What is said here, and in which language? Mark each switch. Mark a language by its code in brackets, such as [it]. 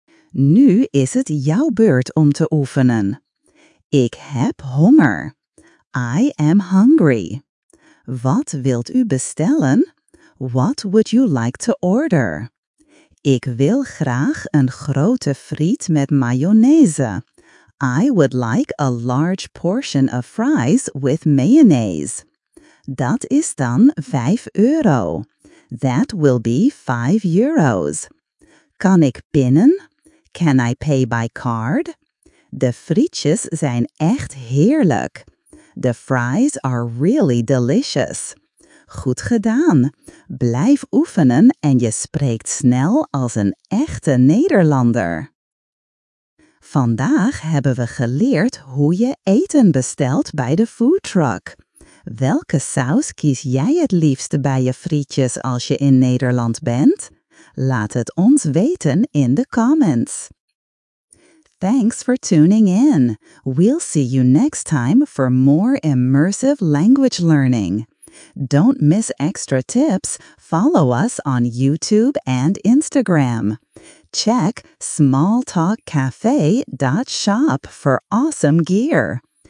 [nl] Nu is het jouw beurt om te oefenen. Ik heb honger. [en] I am hungry. [nl] Wat wilt u bestellen? [en] What would you like to order? [nl] Ik wil graag een grote friet met mayonaise. [en] I would like a large portion of fries with mayonnaise. [nl] Dat is dan €5. [en] That will be €5. [nl] Kan ik pinnen? [en] Can I pay by card? [nl] De frietjes zijn echt heerlijk. [en] The fries are really delicious. [nl] Goed gedaan. Blijf oefenen en je spreekt snel als een echte Nederlander. Vandaag hebben we geleerd hoe je eten bestelt bij de foodtruck. Welke saus kies jij het liefst bij je frietjes als je in Nederland bent? Laat het ons weten in de comments. [en] Thanks for tuning in. We'll see you next time for more immersive language learning. Don't miss extra tips. Follow us on YouTube and Instagram. Check smalltalkcafe.shop for awesome gear.